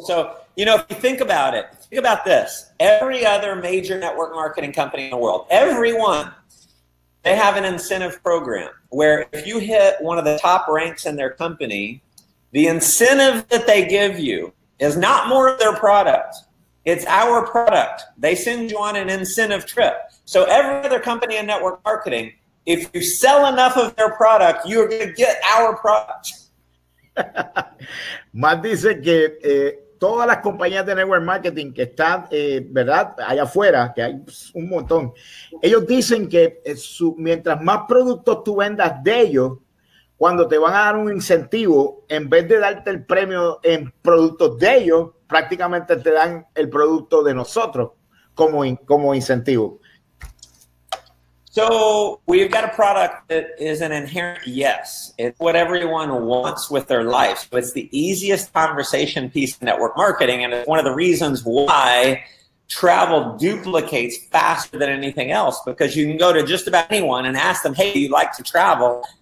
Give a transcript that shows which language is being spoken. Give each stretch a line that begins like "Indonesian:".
English: So, you know, if you think about it, think about this. Every other major network marketing company in the world, everyone, they have an incentive program where if you hit one of the top ranks in their company, the incentive that they give you is not more of their product. It's our product. They send you on an incentive trip. So every other company in network marketing, if you sell enough of their product, you're going to get our product.
Spanish: Matt dice que todas las compañías de network marketing que están, ¿verdad? Allá afuera, que hay un montón. Ellos dicen que mientras más productos tú vendas de ellos, cuando te van a dar un incentivo, en vez de darte el premio en productos de ellos, prácticamente te dan el producto de nosotros como incentivo.
English: So we've got a product that is an inherent yes. It's what everyone wants with their life. So it's the easiest conversation piece in network marketing. And it's one of the reasons why travel duplicates faster than anything else, because you can go to just about anyone and ask them, hey, do you like to travel?